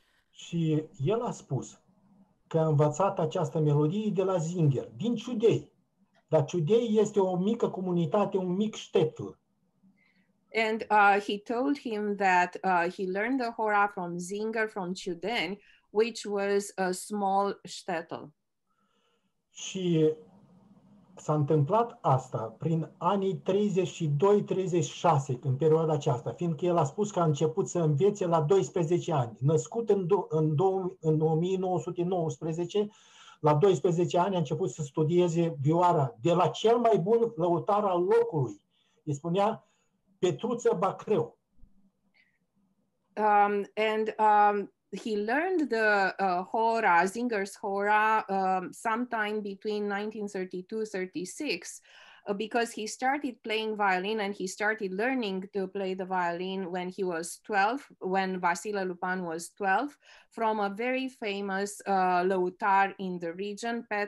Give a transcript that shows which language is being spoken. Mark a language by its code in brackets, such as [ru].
[ro] Și el a spus că a învățat această melodie de la Zinger, din Ciudei. Dar Ciudei este o mică comunitate, un mic ștetl. [en] And he told him that he learned the Hora from Zinger, from Ciuden, which was a small ștetl. [ro] Și s-a întâmplat asta prin anii 32-36, în perioada aceasta, fiindcă el a spus că a început să învețe la 12 ani. Născut în 1919, la 12 ani a început să studieze vioara de la cel mai bun lăutar al locului. Îi spunea Petruță Bacreu. [en] He learned the Hora, Zinger's Hora, sometime between 1932-36, because he started playing violin and he started learning to play the violin when he was 12, when Vasile Lupan was 12, from a very famous lăutar in the region,